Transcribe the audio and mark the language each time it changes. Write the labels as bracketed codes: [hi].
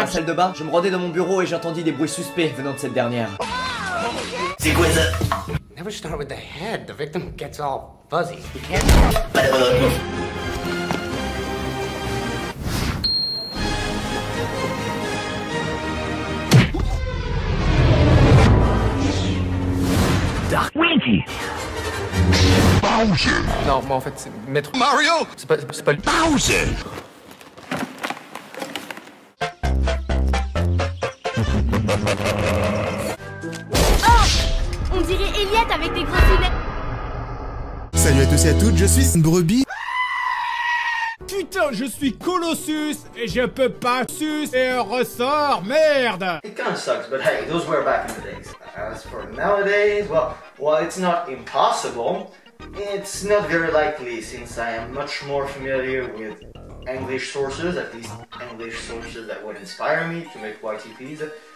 [fr] dans la salle de bain, je me rendais dans mon bureau et j'entendis des bruits suspects venant de cette dernière. C'est quoi ça? [en] Never start with the head, the victim gets all fuzzy. You can't... Bowser. [fr] Non, moi en fait, c'est maître Mario. C'est pas le Bowser. Oh, on dirait Elliot avec des grosses lunettes. Salut à tous et à toutes, je suis une brebis. Putain, je suis Colossus et je peux pas sus et ressort, merde. [en] It kind of sucks, but hey, those were back in the days. As for nowadays, well, it's not impossible. It's not very likely since I am much more familiar with English sources, at least English sources that would inspire me to make YTPs.